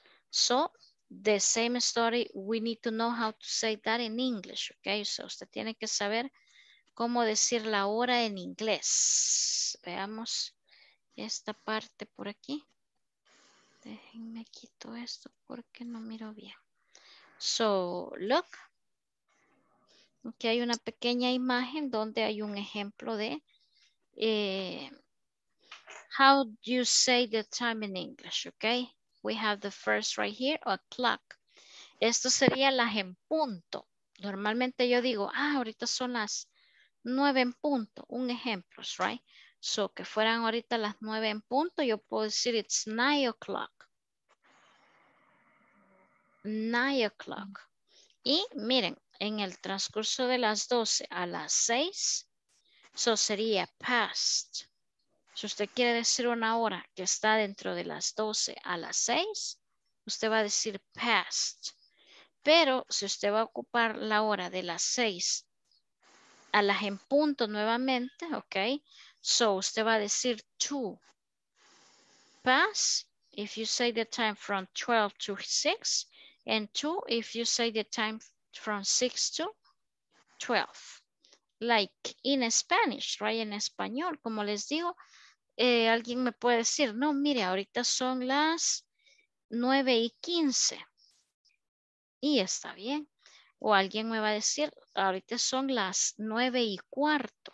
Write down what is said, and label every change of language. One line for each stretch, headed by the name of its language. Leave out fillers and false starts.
English: So, the same story, we need to know how to say that in English, okay?
Spanish: So, usted tiene que saber cómo decir la hora en inglés. Veamos esta parte por aquí. Déjenme quito esto porque no miro bien.
English: So, look.
Spanish: Aquí hay una pequeña imagen donde hay un ejemplo de
English: how do you say the time in English? Okay, we have the first right here, o'clock.
Spanish: Esto sería las en punto. Normalmente yo digo, ah, ahorita son las 9 en punto. Un ejemplo, right? So que fueran ahorita las 9 en punto, yo puedo decir
English: it's 9 o'clock. 9 o'clock.
Spanish: Y miren, en el transcurso de las 12 a las 6. So sería past. Si usted quiere decir una hora que está dentro de las 12 a las 6, usted va a decir past. Pero si usted va a ocupar la hora de las 6 a las en punto nuevamente, ok, so usted va a decir to.
English: Past, if you say the time from 12 to 6, and to, if you say the time from 6 to 12. Like in Spanish, right?
Spanish: En español, como les digo, alguien me puede decir, no, mire, ahorita son las 9:15. Y está bien. O alguien me va a decir, ahorita son las 9:15.